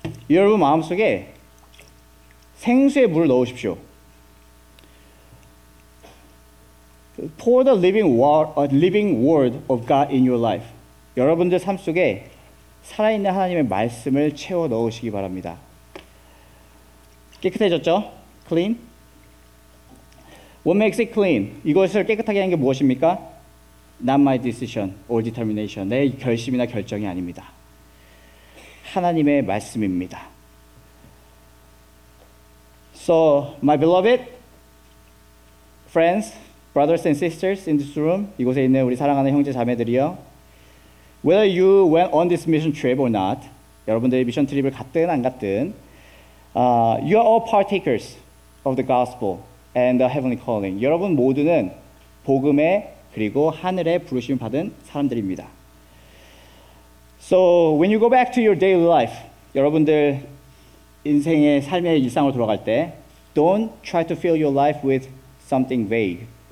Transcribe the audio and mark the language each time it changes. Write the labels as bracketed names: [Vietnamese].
[Korean] 여러분 마음속에 생수의 물을 넣으십시오. [English] Pour the living word of God in your life. [Korean] 여러분들 삶 속에 살아있는 하나님의 말씀을 채워 넣으시기 바랍니다. 깨끗해졌죠? [English] Clean. What makes it clean? [Korean] 이것을 깨끗하게 하는 게 무엇입니까? [English] Not my decision or determination. [Korean] 내 결심이나 결정이 아닙니다. 하나님의 말씀입니다. [English] So, my beloved friends, brothers and sisters in this room, [Korean] 이곳에 있는 우리 사랑하는 형제 자매들이요. [English] Whether you went on this mission trip or not, [Korean] 여러분들이 미션 트립을 갔든 안 갔든, [English] you are all partakers of the gospel and the heavenly calling. [Korean] 여러분 모두는 복음에 그리고 하늘에 부르심을 받은 사람들입니다. [English] So, when you go back to your daily life, [Korean] 여러분들 인생의 삶의 일상으로 돌아갈 때 [English] Don't try to fill your life with something vague.